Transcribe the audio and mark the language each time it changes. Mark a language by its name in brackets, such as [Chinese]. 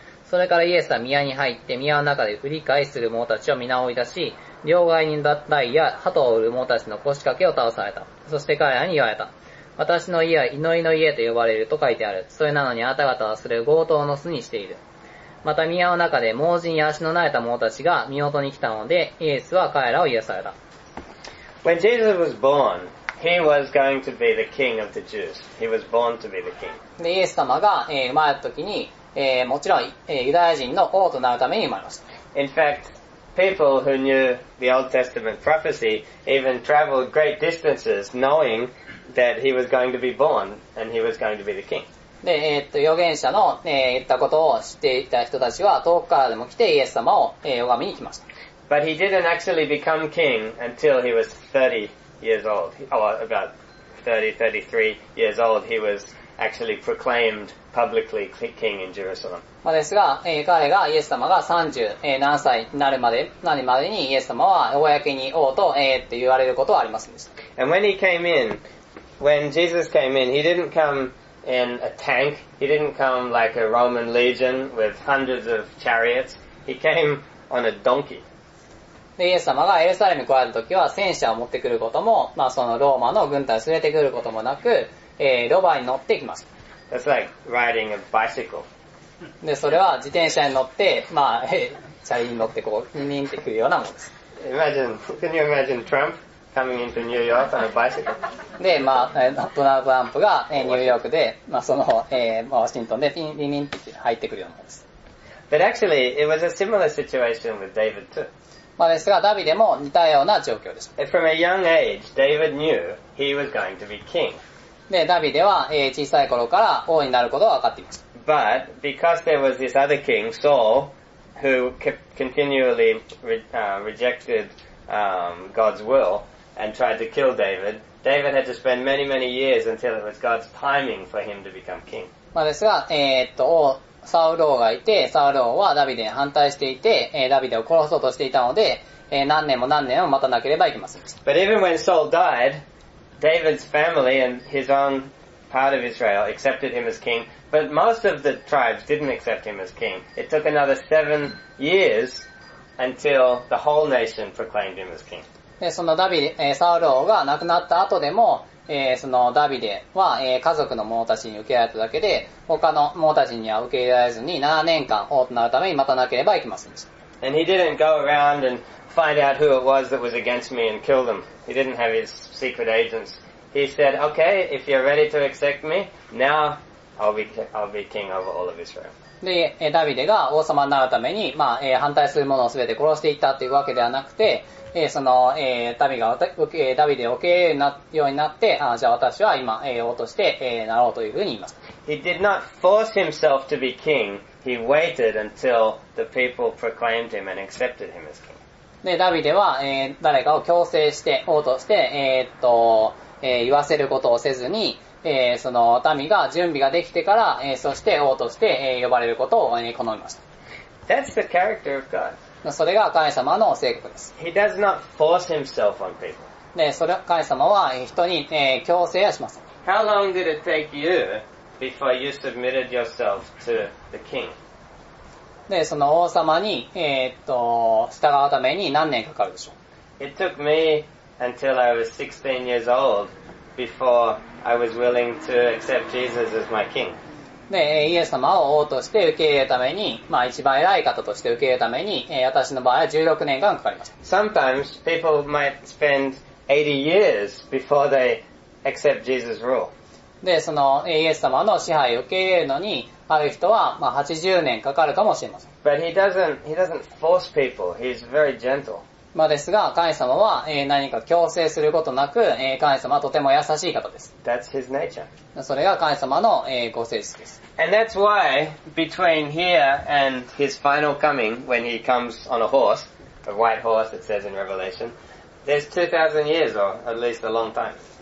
[Japanese] それからイエスは宮に入って宮の中で振り返する者たちを皆追い出し、両替人だったりや鳩を売る者たちの腰掛けを倒された。そして彼らに言われた。私の家は祈りの家と呼ばれると書いてある。それなのにあなた方はそれを強盗の巣にしている。また宮の中で盲人や足のなれた者たちが身元に来たので、イエスは彼らを癒された。 [English] When Jesus was born, he was going to be the king of the Jews. He was born to be the king. [Japanese] で、イエス様が、生まれた時に、もちろん、ユダヤ人の王となるために生まれました。 [English] In fact, people who knew the Old Testament prophecy even traveled great distances knowingthat he was going to be born and he was going to be the king. [Japanese] で、預言者の、言ったことを知っていた人たちは遠くからでも来てイエス様を、拝みに来ました。 [English] But he didn't actually become king until he was 30 years old. Or about 33 years old, he was actually proclaimed publicly king in Jerusalem. [Japanese] まあですが、彼がイエス様が37歳になるまで、にイエス様は公に王と、言われることはありませんでした。 [English] And when he came inWhen Jesus came in, he didn't come in a tank. He didn't come like a Roman legion with hundreds of chariots. He came on a donkey. [Japanese] で、イエス様がエルサレムに来られた時は戦車を持ってくることも、まあそのローマの軍隊を連れてくることもなく、ロバに乗ってきました。 [English] That's like riding a bicycle. [Japanese] で、それは自転車に乗って、まあ、チャリに乗ってこう、ニンニンってくるようなものです。 [English] Imagine, can you imagine Trump? Coming into New York on a bicycle. [Japanese] で、まあ、ドナルド・トランプが、ニューヨークで、まあ、その、ワシントンで、リンリンって入ってくるようなものです。 [English] But actually, it was a similar situation with David too. [Japanese] まあ、ですが、ダビデも似たような状況でした。 [English] From a young age, David knew he was going to be king. [Japanese] で、ダビデは、小さい頃から王になることが分かっています。 [English] But, because there was this other king, Saul, who kept continually rejected God's will and tried to kill David, David had to spend many, many years until it was God's timing for him to become king. [Japanese] まあですが、サウル王がいて、サウル王はダビデに反対していて、ダビデを殺そうとしていたので、何年も何年も待たなければいけません。 [English] But even when Saul died, David's family and his own part of Israel accepted him as king, but most of the tribes didn't accept him as king. It took another 7 years until the whole nation proclaimed him as king. [Japanese] で、そのダビデ、サウル王が亡くなった後でも、そのダビデは、家族の者たちに受け入れただけで、他の者たちには受け入れられずに、7年間王となるために待たなければいけませんでした。 [English] And he didn't go around and find out who it was that was against me and kill them. He didn't have his secret agents. He said, okay, if you're ready to accept me, now I'll be king over all of Israel. [Japanese] で、ダビデが王様になるために、まあ、反対する者を全て殺していったというわけではなくて、その、民がダビデを受け入れるようになって、あ、じゃあ私は今、王として、なろうというふうに言います。 [English] He did not force himself to be king. He waited until the people proclaimed him and accepted him as king. [Japanese] で、ダビデは、誰かを強制して、王として、言わせることをせずに、その民が準備ができてから、そして王として、呼ばれることを、好みました。 [English] That's the character of God. [Japanese] それが神様の性格です。 [English] He does not force himself on people. [Japanese] で、それ、神様は人に、強制はしません。 [English] How long did it take you before you submitted yourself to the king? [Japanese] で、その王様に、従うために何年かかるでしょう。 [English] It took me until I was 16 years old before I was willing to accept Jesus as my king. [Japanese] で、イエス様を王として受け入れるために、まあ一番偉い方として受け入れるために、私の場合は16年間かかりました。 [English] Sometimes people might spend 80 years before they accept Jesus' rule. [Japanese] で、そのイエス様の支配を受け入れるのに、ある人は、まあ、80年かかるかもしれません。 [English] But he doesn't force people. He's very gentle. [Japanese] まあですが、神様は何か強制することなく、神様はとても優しい方です。 [English] That's his nature. [Japanese] それが神様の、ご性質です。 [English] And that's why between here and his final coming, when he comes on a horse, a white horse, it says in Revelation, there's 2,000 years or at least a long time.